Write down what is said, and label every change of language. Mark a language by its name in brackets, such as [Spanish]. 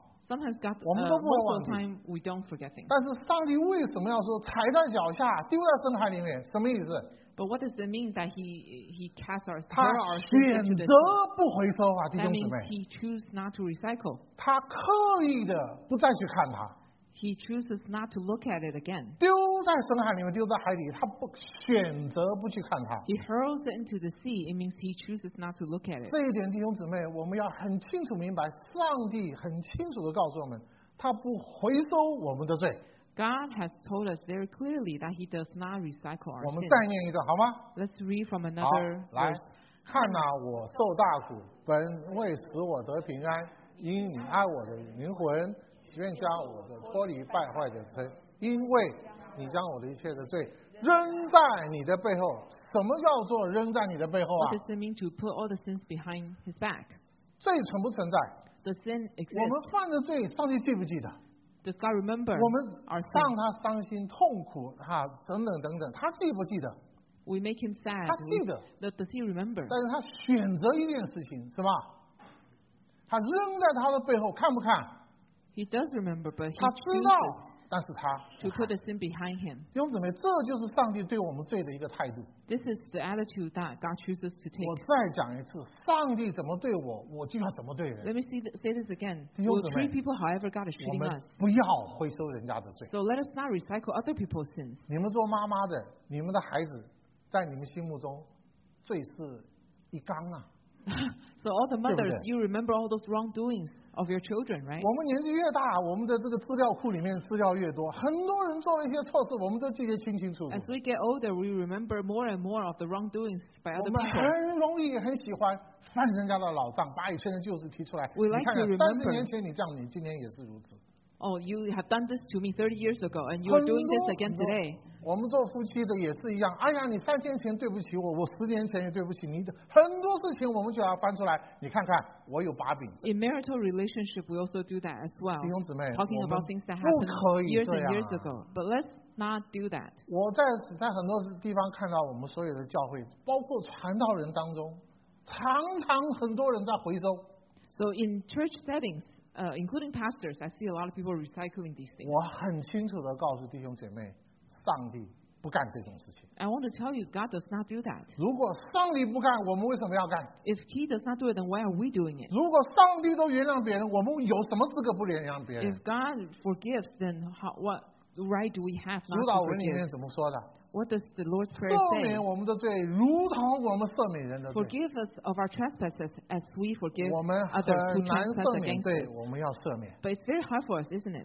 [English] Sometimes God, most of the time we don't forget things. [Chinese] 但是上帝为什么要说踩在脚下丢在深海里面？什么意思 [English] ？But what does it mean that he casts our sins into the sea? [Chinese] 他选择不回收啊，弟兄姊妹。 [English] That means he chooses not to recycle. [Chinese] 他刻意的不再去看它。 [English] He chooses not to look at it again. [Chinese] 丢在深海里面，丢在海底，他不选择不去看它。 [English] He hurls it into the sea. It means he chooses not to look at it. [Chinese] 这一点，弟兄姊妹，我们要很清楚明白，上帝很清楚地告诉我们，他不回收我们的罪。 [English] God has told us very clearly that he does not recycle our sins. [Chinese] 我们再念一段好吗 [English] ？Let's read from another verse. [Chinese] 好，来，看哪，我受大苦，本为使我得平安，因你爱我的灵魂。愿将我的脱离败坏的身，因为你将我的一切的罪扔在你的背后。什么叫做扔在你的背后啊？ [English] What does it mean to put all the sins behind his back? [Chinese] 罪存不存在？ [English] The sin exists. [Chinese] 我们犯的罪，上帝记不记得？ [English] Does God remember? [Chinese] 我们让他伤心痛苦哈，等等等等，他记不记得？ [English] We make him sad. [Chinese] 他记得。 [English] But does he remember? [Chinese] 但是他选择一件事情，是吧？他扔在他的背后，看不看？ [English] He does remember, but he [Chinese] 他知道。但是他 [English] to put the sin behind him. [Chinese] 弟兄姊妹，这就是上帝对我们罪的一个态度。 [English] This is the attitude that God chooses to take. [Chinese] 我再讲一次，上帝怎么对我，我就要怎么对人。 [English] Let me say this again. [Chinese] 弟兄姊妹 [English] we'll treat people however God is treating us. [Chinese] 不要回收人家的罪。 [English] So let us not recycle other people's sins. [Chinese] 你们做妈妈的，你们的孩子在你们心目中，罪是一缸啊。 [English] So all the mothers, [Chinese] 对对 [English] you remember all those wrongdoings of your children, right? [Chinese] 我们年纪越大，我们的这个资料库里面资料越多，很多人做了一些错事，我们都记得清清楚楚。 [English] As we get older, we remember more and more of the wrongdoings by other people. [Chinese] 我们很容易很喜欢翻人家的老账，把以前的旧事提出来。 [English] We like [Chinese] 你看看，三十年前你这样，你今天也是如此。 [English] Oh, you have done this to me 30 years ago, and you are doing this again today. [Chinese] 我们做夫妻的也是一样。哎呀，你三天前对不起我，我十年前也对不起你。很多事情我们就要翻出来。你看看，我有把柄。 [English] In marital relationship, we also do that as well. [Chinese] 弟兄姊妹 [English] ，talking about things that happened years and years ago, but let's not do that. [Chinese] 我在很多地方看到我们所有的教会，包括传道人当中，常常很多人在回收。 [English] So in church settings. Including pastors, I see a lot of people recycling these things. [Chinese] 我很清楚地告诉弟兄姐妹，上帝不干这种事情。 [English] I want to tell you, God does not do that. [Chinese] 如果上帝不干，我们为什么要干？ [English] If He does not do it, then why are we doing it? [Chinese] 如果上帝都原谅别人，我们有什么资格不原谅别人？ [English] If God forgives, then what right do we have not to forgive? [Chinese] 主导文里面怎么说的？ [English] What does the Lord's Prayer say? [Chinese] 赦免我们的罪，如同我们赦免人的罪。 [English] Forgive us of our trespasses as we forgive others who trespass against us. [Chinese] 我们要赦免。 [English] But it's very hard for us, isn't it?